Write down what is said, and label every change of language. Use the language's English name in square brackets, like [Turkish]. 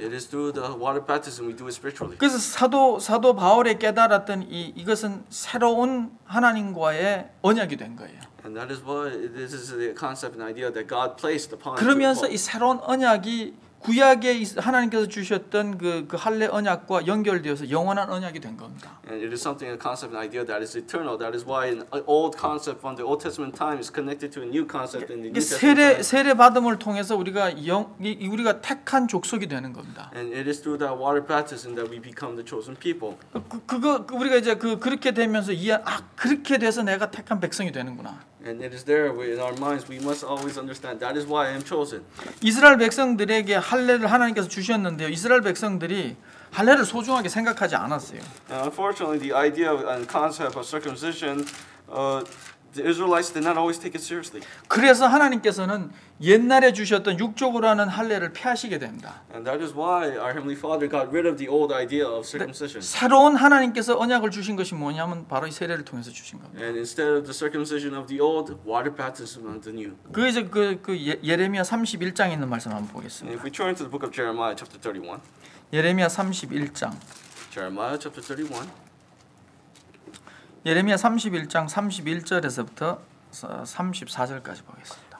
[English] It is through the water baptism we do it spiritually. [Korean] 그래서 사도 바울의 깨달았던 이것은 새로운 하나님과의 언약이 된 거예요. [English] And that is why this is the concept and idea that God placed upon. [Korean] 그러면서 이 새로운 언약이 구약에 하나님께서 주셨던 그 할례 언약과 연결되어서 영원한 언약이 된 겁니다. [English] And it is something a concept an idea that is eternal. That is why an old concept from the Old Testament time is connected to a new concept in the New Testament. [Korean] 세례 받음을 통해서 우리가 택한 족속이 되는 겁니다. [English] And it is through that water baptism that we become the chosen people. [Korean] 우리가 이제 그렇게 되면서 그렇게 돼서 내가 택한 백성이 되는구나. [English] And it is there in our minds. We must always understand that is why I am chosen. [Korean] 이스라엘 백성들에게 할례를 하나님께서 주셨는데요. 이스라엘 백성들이 할례를 소중하게 생각하지 않았어요. [English] And unfortunately, the idea and concept of circumcision, the Israelites did not always take it seriously. [Korean] 그래서 하나님께서는 옛날에 주셨던 육족으로는 할례를 폐하시게 됩니다. [English] And that is why our heavenly Father got rid of the old idea of circumcision. [Korean] 새로운 하나님께서 언약을 주신 것이 뭐냐면 바로 이 세례를 통해서 주신 겁니다. [English] And instead of the circumcision of the old, water baptism of the new. [Korean] 그래서 그 예레미야 31장에 있는 말씀 한번 보겠습니다. [English] And if we turn to the book of Jeremiah, chapter 31. [Korean] 예레미야 31장. [English] Jeremiah chapter 31. [Korean] 예레미야 31장 31절에서부터 34절까지 보겠습니다.